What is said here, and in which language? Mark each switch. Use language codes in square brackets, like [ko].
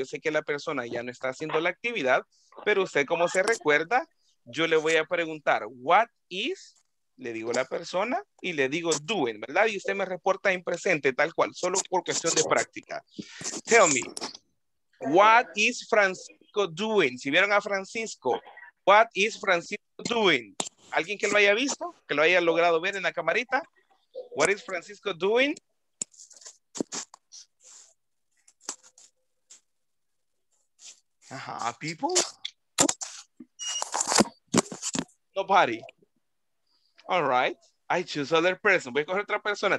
[es] Yo sé que la persona ya no está haciendo la actividad, pero usted como se recuerda, yo le voy a preguntar, [en] what is, [es] le digo la persona y le digo [en] doing, [es] ¿verdad? Y usted me reporta en presente tal cual, solo por cuestión de práctica. [en] Tell me, what is Francisco doing? [es] Si vieron a [en] Francisco, what is Francisco doing? [es] ¿Alguien que lo haya visto? ¿Que lo haya logrado ver en la camarita? [en] What is Francisco doing? People? Nobody. All right. I choose other person. [es] Voy a coger otra persona.